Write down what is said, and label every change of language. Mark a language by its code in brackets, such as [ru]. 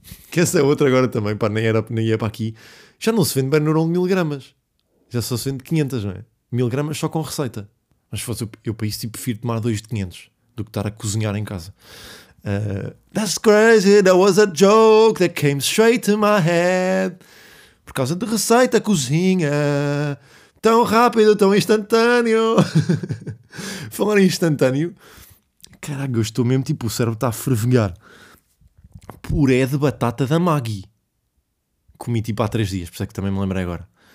[pt] Que essa é outra agora também, pá, nem ia para aqui. Já não se vende Benuron de 1000 gramas. Já só se vende 500, não é? 1000 gramas só com receita. Mas fosse eu para isso, tipo, prefiro tomar 2 de 500 do que estar a cozinhar em casa. [en] That's crazy, that was a joke that came straight to my head. [pt] Por causa de receita, cozinha. Tão rápido, tão instantâneo. Falar em instantâneo. Caralho, eu estou mesmo, tipo, o cérebro está a fervilhar. Puré de batata da Maggi. Comi, tipo, há 3 dias, por isso é que também me lembrei agora.